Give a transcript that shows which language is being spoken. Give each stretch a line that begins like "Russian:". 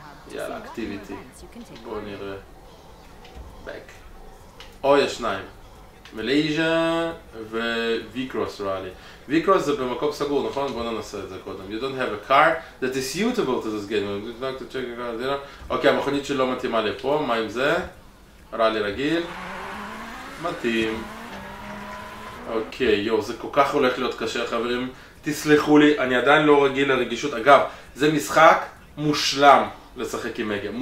Hebrew: יאללה, activity. בואו נראה. back. או יש שניים. מלאיזיה וויקרוס ראלי. ויקרוס זה במקום סגור, נכון? בוא ננסה את זה קודם.
English: You don't have a car that is suitable to this game.
Hebrew: אוקיי, המכונית שלא מתאימה לפה, מה עם זה? ראלי רגיל. מתאים. אוקיי, יו, זה כל כך הולך להיות קשה, חברים. תסלחו לי, אני עדיין לא רגיל לרגישות. אגב, זה משחק מושלם לשחק עם מגה.